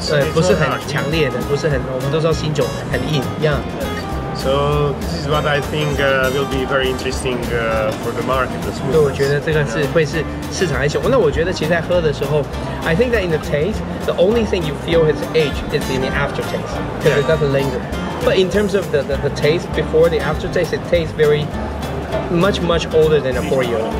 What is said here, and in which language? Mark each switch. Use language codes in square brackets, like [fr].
[zh] 对，不是很强烈的，不是很。我们都知道新酒很硬 ，Yeah. [en] So this is what I think will be very interesting for the market as well. [zh] 对，我觉得这个是会是市场还行。那我觉得其实在喝的时候 [en] ，I think that in the taste, the only thing you feel is age is in the aftertaste, because it doesn't linger. But in terms of the taste before the aftertaste, it tastes very much much older than a 4-year-old.